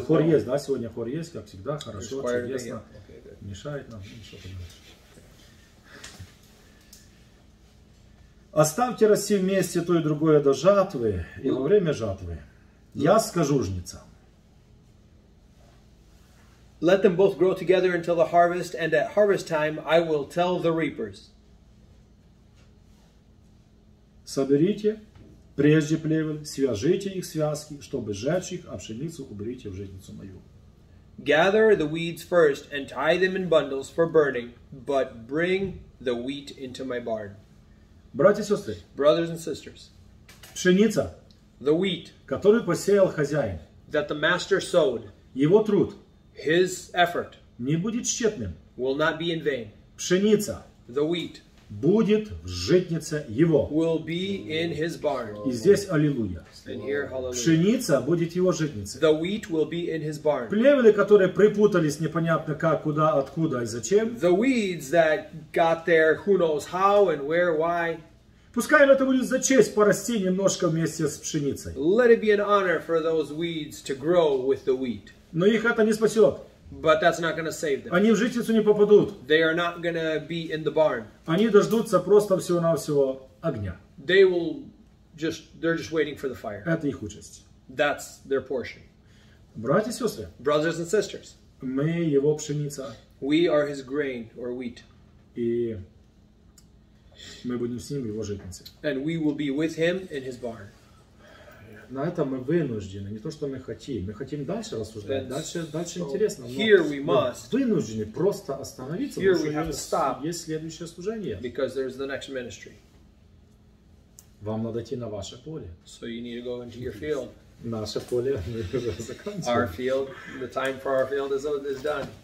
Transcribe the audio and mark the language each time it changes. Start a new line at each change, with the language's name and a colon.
Russian: хор есть, да, сегодня хор есть, как всегда, хорошо, чудесно. Okay, мешает нам, ну что поделать. Оставьте расти вместе то и другое до жатвы, и во время жатвы. Я скажу жнецам.
English: Let them both grow together until the harvest, and at harvest time I will tell the reapers.
Russian: Соберите прежде плевел, свяжите их связки, чтобы сжечь их, а пшеницу уберите в житницу мою.
English: Gather the weeds first and tie them in bundles for burning, but bring the wheat into my barn.
Russian: Братья и сестры,
English: brothers and sisters,
Russian: пшеница,
English: the wheat,
Russian: которую посеял хозяин,
English: that the master sowed,
Russian: его труд,
English: his effort,
Russian: не будет тщетным,
English: will not be in vain.
Russian: Пшеница,
English: the wheat,
Russian: будет в житнице его,
English: will be in his barn.
Russian: И здесь аллилуйя.
English: And here, hallelujah.
Russian: Пшеница будет его житнице.
English: The wheat will be in his barn.
Russian: Плевелы, которые припутались непонятно как, куда, откуда и зачем.
English: The weeds that got there, who knows how and where, why.
Russian: Пускай это будет за честь порасти немножко вместе с пшеницей.
English: Let it be an honor for those weeds to grow with the wheat.
Russian: Но их это не спасет.
English: But that's not going to save them.
Russian: Они в житницу не попадут.
English: They are not going to be in the barn.
Russian: Они дождутся просто всего-навсего огня.
English: They're just waiting for the fire.
Russian: Это их участь.
English: That's their portion.
Russian: Братья и сестры.
English: Brothers and sisters.
Russian: Мы его пшеница.
English: We are his grain or wheat.
Russian: И мы будем с ним в его житнице.
English: And we will be with him in his barn.
Russian: На этом мы вынуждены, не то что мы хотим дальше рассуждать, дальше интересно, но вынуждены просто остановиться, here потому что есть следующее служение.
English: Because there's the next ministry.
Russian: Вам надо идти на ваше поле.
English: So you need to go into your field.
Russian: Наше поле заканчивается.
English: Our field, the time for our field is done.